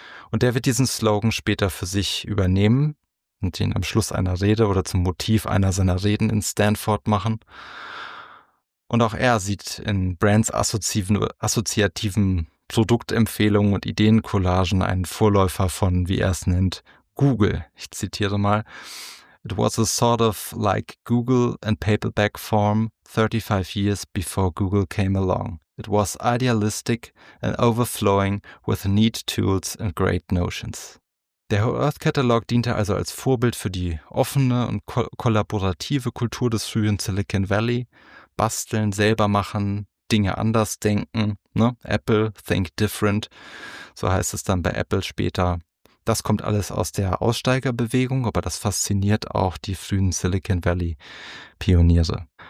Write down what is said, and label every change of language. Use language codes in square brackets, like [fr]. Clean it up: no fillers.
[de] Und der wird diesen Slogan später für sich übernehmen und ihn am Schluss einer Rede oder zum Motiv einer seiner Reden in Stanford machen. Und auch er sieht in Brands assoziativen Produktempfehlungen und Ideencollagen einen Vorläufer von, wie er es nennt, Google. Ich zitiere mal. [en] It was a sort of like Google in paperback form 35 years before Google came along. It was idealistic and overflowing with neat tools and great notions. [de] Der Whole Earth Catalog diente also als Vorbild für die offene und kollaborative Kultur des frühen Silicon Valley. Basteln, selber machen, Dinge anders denken. Ne? Apple, [en] think different, [de] so heißt es dann bei Apple später. Das kommt alles aus der Aussteigerbewegung, aber das fasziniert auch die frühen Silicon Valley Pioniere.